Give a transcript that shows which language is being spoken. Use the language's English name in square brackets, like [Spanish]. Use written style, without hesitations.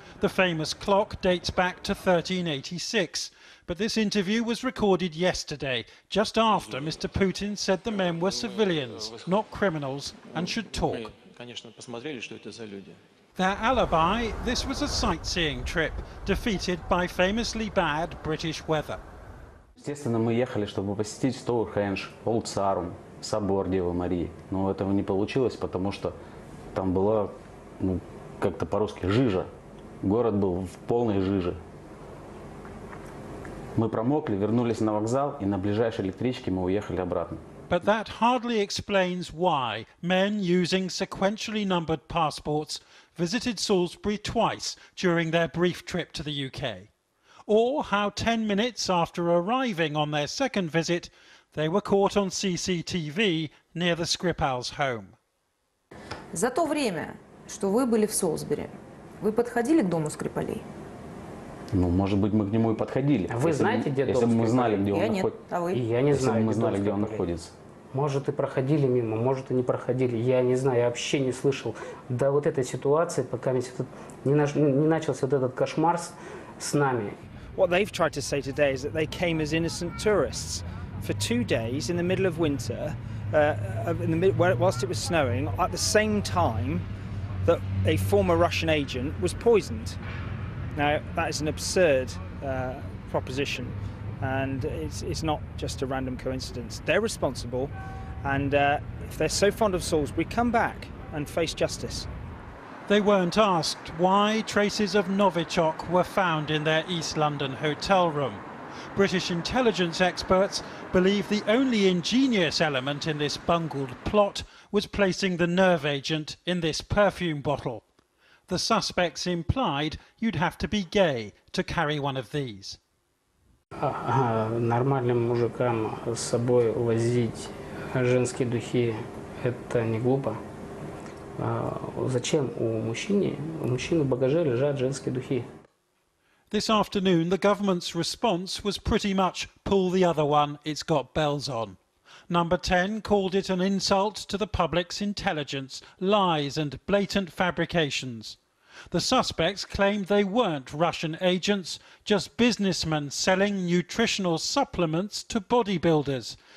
[English] The famous clock dates back to 1386, but this interview was recorded yesterday, just after Mr. Putin said the men were civilians, not criminals, and should talk. Their alibi, this was a sightseeing trip, defeated by famously bad British weather. [Russian] Естественно, мы ехали, чтобы посетить Стоунхендж, Old Sarum, собор Девы Марии. Но этого не получилось, потому что там была, ну, как-то по-русски, жижа. Город был в полной жиже. Мы промокли, вернулись на вокзал, и на ближайшей электричке мы уехали обратно. [English] But that hardly explains why men using sequentially numbered passports visited Salisbury twice during their brief trip to the UK. Or how 10 minutes after arriving on their second visit, they were caught on CCTV near the Skripal's home. [Russian] За то время, что вы были в Солсбери, вы подходили к дому Скрипалей? Ну, может быть, мы к нему и подходили. А вы знаете, где дом Скрипалей? Если мы знали, где он находится. А вы? Я не знаю, мы знали, где он находится. Может, и проходили мимо, может, и не проходили. Я не знаю, я вообще не слышал до вот этой ситуации, пока не начался вот этот кошмар с нами. [English] What they've tried to say today is that they came as innocent tourists for 2 days in the middle of winter, whilst it was snowing, at the same time that a former Russian agent was poisoned. Now, that is an absurd proposition. And it's not just a random coincidence. They're responsible, and if they're so fond of Salisbury, come back and face justice. They weren't asked why traces of Novichok were found in their East London hotel room. British intelligence experts believe the only ingenious element in this bungled plot was placing the nerve agent in this perfume bottle. The suspects implied you'd have to be gay to carry one of these. [Russian] Нормальным мужикам с собой возить женские духи – это не глупо. Зачем у мужчины в багаже лежат женские духи? [English] This afternoon, the government's response was pretty much pull the other one, it's got bells on. Number 10 called it an insult to the public's intelligence, lies and blatant fabrications. The suspects claimed they weren't Russian agents, just businessmen selling nutritional supplements to bodybuilders.